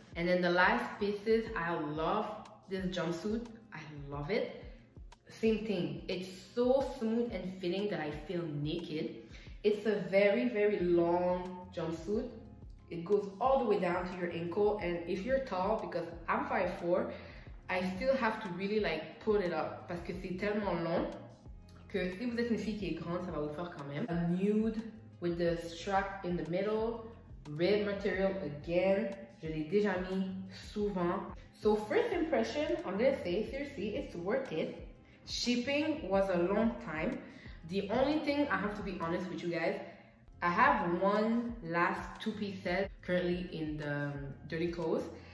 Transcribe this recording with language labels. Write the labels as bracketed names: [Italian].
[English] And then the last pieces, I love this jumpsuit. I love it. Same thing, it's so smooth and fitting that I feel naked. It's a very, very long jumpsuit. It goes all the way down to your ankle. And if you're tall, because I'm 5'4", I still have to really like pull it up. [French] Parce que c'est tellement long que si vous êtes une fille qui est grande, ça va vous faire quand même. [English] A nude with the strap in the middle. Red material again. [French] Je l'ai déjà mis souvent. [English] So first impression, I'm gonna say, seriously, it's worth it. Shipping was a long time. The only thing, I have to be honest with you guys, I have one last two-piece set currently in the dirty clothes.